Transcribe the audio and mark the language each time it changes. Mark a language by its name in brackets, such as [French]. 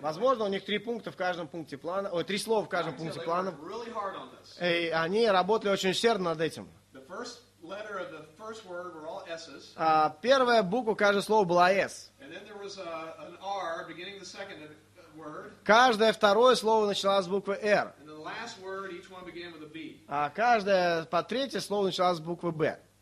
[Russian] Возможно, у них три пункта в каждом пункте плана, ой, три слова в каждом пункте плана. [English] Really hard on this. [Russian] И они работали очень усердно над этим. [English] The first letter of the first word were all S's. [Russian] А первая буква каждого слова была S. [English] And then there was an R beginning the second word. [Russian] Каждое второе слово начиналось с буквы R. [English] And the last word, each one began with a B. [Russian] А каждое по третье слово начиналось с буквы B.